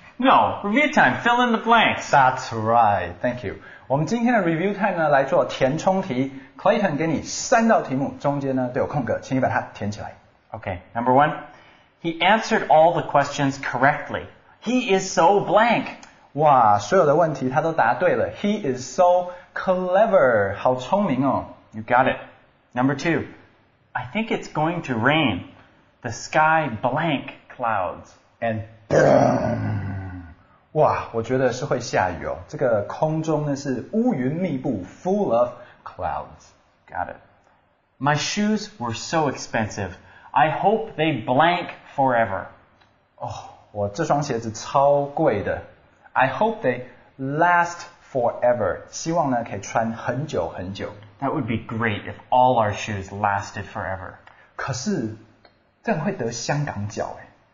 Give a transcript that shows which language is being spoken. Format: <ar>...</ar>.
<en>No, review time, fill in the blanks. That's right, thank you.</en> <zh>我们今天的 review time 呢来做填充题。 Clayton 给你三道题目，中间呢都有空格，请你把它填起来。</zh> <en>Okay, number one, he answered all the questions correctly. He is so blank.</en> <zh>哇，所有的问题他都答对了。</zh> <en>He is so clever,</en> <zh>好聪明哦。</zh> <en>You got it. Number two, I think it's going to rain. The sky blank clouds. And boom!</en> <zh>哇，我觉得是会下雨哦。这个空中呢是乌云密布 ，</zh> <en>full of clouds. Got it. My shoes were so expensive. I hope they blank forever.</en> <zh>哦，我这双鞋子超贵的。</zh> <en>I hope they last forever.</en> <zh>希望呢可以穿很久很久。</zh> <en>That would be great if all our shoes lasted forever.</en> <zh>可是这样会得香港脚哎。</zh>